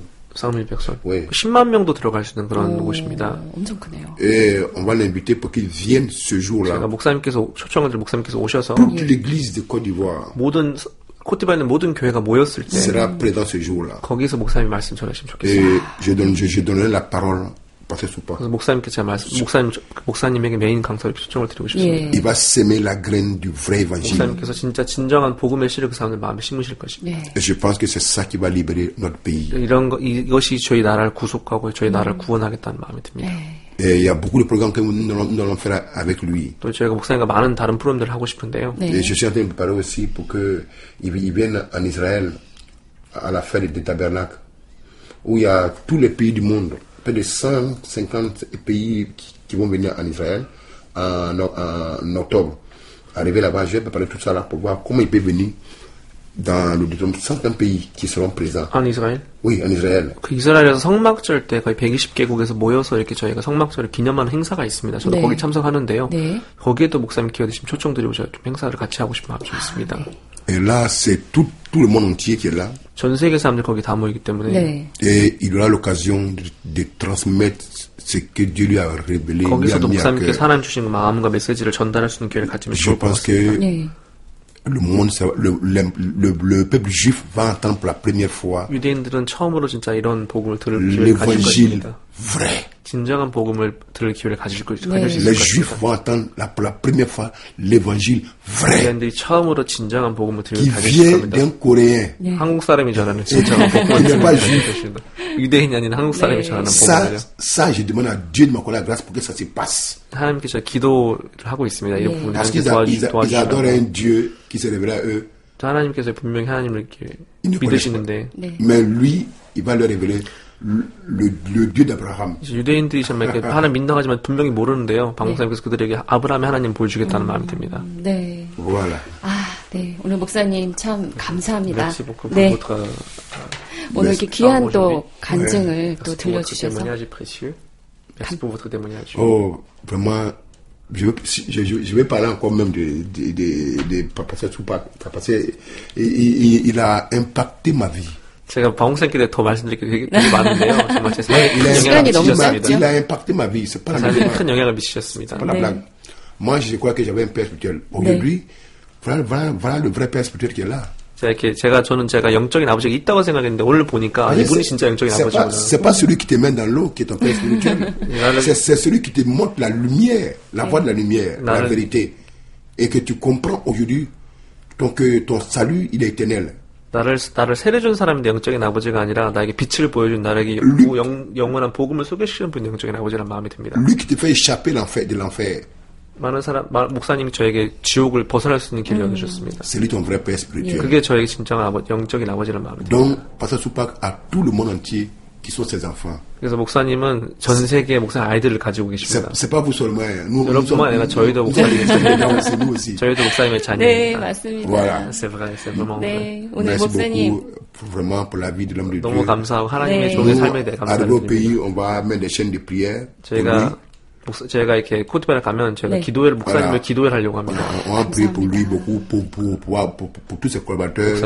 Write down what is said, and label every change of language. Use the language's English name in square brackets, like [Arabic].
[Korean] 10만 명도 들어갈 수 있는 그런 곳입니다. 엄청 크네요. [French] 예, on va l'inviter pour qu'il vienne ce jour-là. [Korean] 제가 목사님께서 초청을 목사님께서 오셔서. [French] Pour que l'Église de Côte d'Ivoire. [Korean] 모든 코트바는 모든 교회가 모였을 때 [French] sera présent ce jour-là. [Korean] 거기서 목사님이 말씀 전하시면 좋겠어요. [French] Je donne la parole parce que pas. [Korean] 목사님께 제가 말씀 목사님에게 메인 강사로 초청을 드리고 싶습니다. [French] Il va semer la graine du vrai évangile. [Korean] 목사님께서 진짜 진정한 복음의 씨를 그 사람들 마음에 심으실 것입니다. [French] Je pense que c'est ça qui va libérer notre pays. [Korean] 이런 거 이것이 저희 나라를 구속하고 저희 나라를 구원하겠다는 마음이 듭니다. [French] Et il y a beaucoup de programmes que nous allons faire avec lui. [Korean] 또 저희가 목사님과 많은 다른 프로그램들을 하고 싶은데요. 네. [French] Et je suis en train de préparer aussi pour que il vienne en Israël à la fête des tabernacles où il y a tous les pays du monde, près de 150 pays qui vont venir en Israël en octobre. Arriver là-bas, je vais préparer tout ça là pour voir comment il peut venir dans le 150 pays qui seront présents. En Israël. Oui, en Israël. [Korean] 그 이스라엘에서 성막절 때 거의 120개국에서 모여서 이렇게 저희가 성막절을 기념하는 행사가 있습니다. 저도 네. 거기 참석하는데요. 네. 거기에도 목사님 기회되시면 초청드리고 제가 좀 행사를 같이 하고 싶은 마음이 있습니다. 네. [French] Et là, c'est tout le monde entier qui est là. [Korean] 전 세계 사람들 거기 다 모이기 때문에. 네. [French] Et il aura l'occasion de transmettre ce que Dieu lui a révélé. [Korean] 거기서도 목사님께 하나님 주신 마음과 메시지를 전달할 수 있는 기회를 가지면 좋을 것 같습니다. 네. [French] Le monde, le peuple juif va entendre pour la première fois. [Korean] 유대인들은 처음으로 진짜 이런 복음을 들을 [French] l'évangile vrai. [Korean] 진정한 복음을 들을 기회를 가질 것 같습니다. 네. [French] Les juifs vont entendre pour la première fois l'évangile vrai. [Korean] 유대인들이 처음으로 진정한 복음을 들을 기회를 가질 겁니다. [French] Qui vient d'un coréen. [Korean] 한국 사람이 전하는 진정한 복음을 들을 기회를 가질 것입니다. 유대인이 아닌 한국 사람이 전하는 복음을요. [French] Ça, je demande à Dieu de m'accorder la grâce pour que ça se passe. [Korean] 하나님께서 기도를 하고 있습니다. 이런 부분을 하나님께서 도와주시라고. [French] Ils adorent un Dieu qui se révèle à eux. [Korean] 하나님께서 분명히 하나님을 믿으시는데. 네. [French] Mais lui, il va leur révéler le Dieu d'Abraham. [Korean] 유대인들이 정말 이렇게 하나님 믿는다고 하지만 분명히 모르는데요. 방송사님께서 그들에게 아브라함의 하나님을 보여주겠다는 마음이 듭니다. 네. [French] Voilà. [Korean] 네, 오늘 목사님 참 감사합니다. 네. 오늘 이렇게 귀한 또 간증을 네. 또 들려주셔서. [French] Merci pour votre témoignage. Oh, vraiment, je vais parler encore même de Pasteur Soubac. Parce qu'il a impacté ma vie. [Korean] 제가 방송사님께 더 말씀드릴 게 되게 많은데요. 정말 제 삶에 시간이 너무 짧죠. [French] Il a impacté ma vie. C'est pas la blague. [Korean] 사실 큰 영향을 미치셨습니다. [French] C'est pas la blague. Moi, je crois que j'avais un père spirituel. Aujourd'hui, voilà le vrai père spirituel qui est là. [Korean] 제가 영적인 아버지가 있다고 생각했는데 오늘 보니까 아니, 이분이 진짜 영적인 아버지구나. [French] C'est pas celui qui te mène dans l'eau qui est ton père spirituel. C'est celui qui te montre la lumière, la voie de la lumière, la vérité. Et que tu comprends aujourd'hui que ton salut il est éternel. [Korean] 나를 세례준 사람인데 영적인 아버지가 아니라 나에게 빛을 보여준 나에게 영원한 복음을 소개시키는 분이 영적인 아버지란 마음이 듭니다. [French] Lui qui te fait échapper l'enfer de l'enfer. [Korean] 많은 사람 목사님이 저에게 지옥을 벗어날 수 있는 길을 열어주셨습니다. 그게 저에게 진정한 영적인 아버지라는 마음입니다. [French] Donc, Pasteur Soubac a tout le monde entier qui sont ses enfants. [Korean] 그래서 목사님은 전 세계의 목사 아이들을 가지고 계십니다. [French] C'est pas vous seulement. [Korean] Nous, 여러분뿐만 아니라 저희도 목사님의 자녀입니다. 저희도 목사님의 자녀입니다. 저희도 목사님의 자녀입니다. 네, 맞습니다. [French] Voilà. C'est vrai, c'est vraiment. [Korean] 네, 오늘 [French] Merci [Korean] 목사님. [French] Vraiment pour la vie de l'homme de Dieu. [Korean] 너무 감사하고 하나님의 종의 삶에 대해 감사드립니다. [French] Au pays, on va mettre des chaînes de prière. [Korean] 제가 제가 이렇게 코트바를 가면 제가 네. 기도회를 목사님을 [French] voilà. [Korean] 기도회를 하려고 합니다. [French] On va prier pour lui beaucoup pour tous ses collaborateurs.